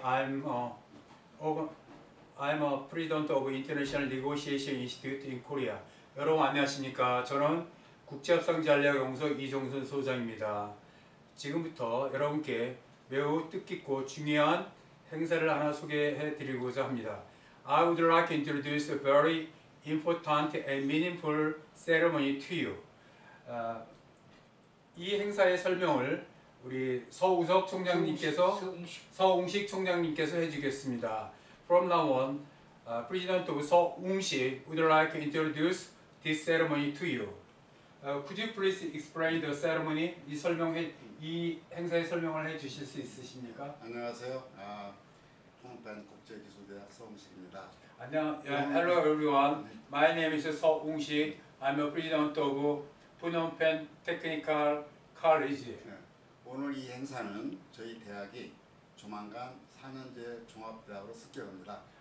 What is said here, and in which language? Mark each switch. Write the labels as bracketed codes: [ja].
[en] I'm a president of International Negotiation Institute in Korea. [ko] 여러분 안녕하십니까? 저는 국제협상전략연구소 이정선 소장입니다. 지금부터 여러분께 매우 뜻깊고 중요한 행사를 하나 소개해 드리고자 합니다. [en] I would like to introduce a very important and meaningful ceremony to you. [ko] 이 행사의 설명을 우리 서웅식 총장님께서 해주겠습니다. [en] From now on, President of 서웅식 would like to introduce this ceremony to you. Could you please explain the ceremony? [ko] 이 행사의 설명을 해주실 수 있으십니까? 안녕하세요. 홍단 국제기술대학 서웅식입니다. [en] Hello everyone. My name is 서웅식. I'm a President of Phnom Penh Technical College. [ko] 오늘 이 행사는 저희 대학이 조만간 4년제 종합대학으로 승격합니다.